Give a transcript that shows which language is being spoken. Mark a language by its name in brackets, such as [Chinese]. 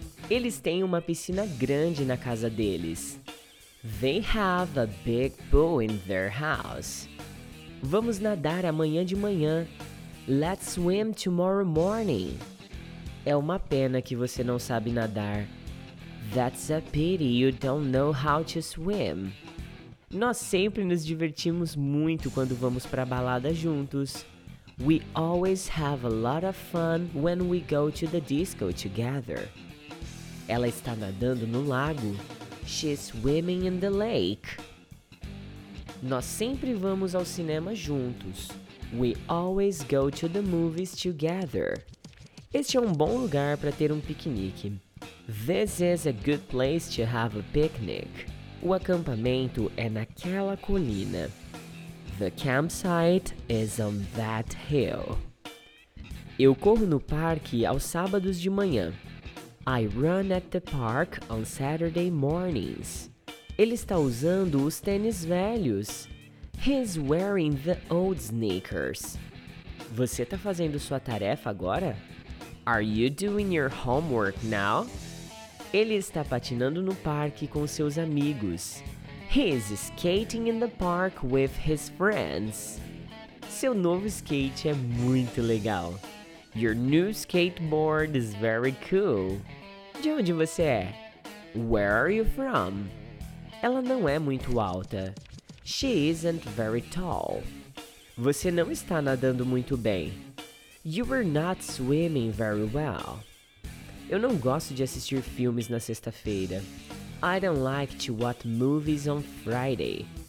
[Portuguese] Eles têm uma piscina grande na casa deles. [English] They have a big pool in their house. [Portuguese] Vamos nadar amanhã de manhã. [English] Let's swim tomorrow morning. [Portuguese] É uma pena que você não sabe nadar. [English] That's a pity you don't know how to swim. [Portuguese] Nós sempre nos divertimos muito quando vamos pra balada juntos. [English] We always have a lot of fun when we go to the disco together. [Portuguese] Ela está nadando no lago. [English] She's swimming in the lake. [Portuguese] Nós sempre vamos ao cinema juntos. [English] We always go to the movies together. [Portuguese] Este é um bom lugar para ter um piquenique. [English] This is a good place to have a picnic. [Portuguese] O acampamento é naquela colina. [English] The campsite is on that hill. [Portuguese] Eu corro no parque aos sábados de manhã. [English] I run at the park on Saturday mornings. [Portuguese] Ele está usando os tênis velhos. [English] He's wearing the old sneakers. [Portuguese] Você está fazendo sua tarefa agora? [English] Are you doing your homework now? [Portuguese] Ele está patinando no parque com seus amigos. [English] He is skating in the park with his friends. [Portuguese] Seu novo skate é muito legal. [English] Your new skateboard is very cool. [Portuguese] De onde você é? [English] Where are you from? [Portuguese] Ela não é muito alta. [English] She isn't very tall. [Portuguese] Você não está nadando muito bem. [English] You are not swimming very well. [Portuguese] Eu não gosto de assistir filmes na sexta-feira. [English] I don't like to watch movies on Friday.